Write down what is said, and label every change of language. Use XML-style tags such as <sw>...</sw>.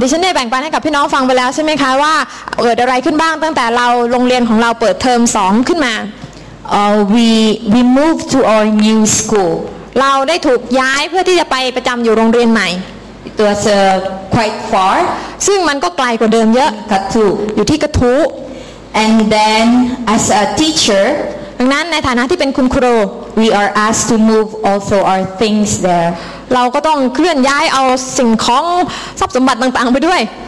<th>ดิฉันได้แบ่งปันให้กับพี่น้องฟังไปแล้วใช่ไหมคะว่าเกิดอะไรขึ้นบ้างตั้งแต่เราโรงเรียนของเราเปิดเทอม 2 ขึ้นมา</th> <en>We moved to our new school.</en> <th>เราได้ถูกย้ายเพื่อที่จะไปประจำอยู่โรงเรียนใหม่</th> <en>It was quite far.</en> <th>ซึ่งมันก็ไกลกว่าเดิมเยอะ กระทู อยู่ที่กระทู</th> <en>And then as a teacher</en> <th>ดังนั้นในฐานะที่เป็นคุณครู</th> <en>we are asked to move also our things there</en> <th>เราก็ต้องเคลื่อนย้ายเอาสิ่งของทรัพย์สมบัติต่างๆไปด้วย</th>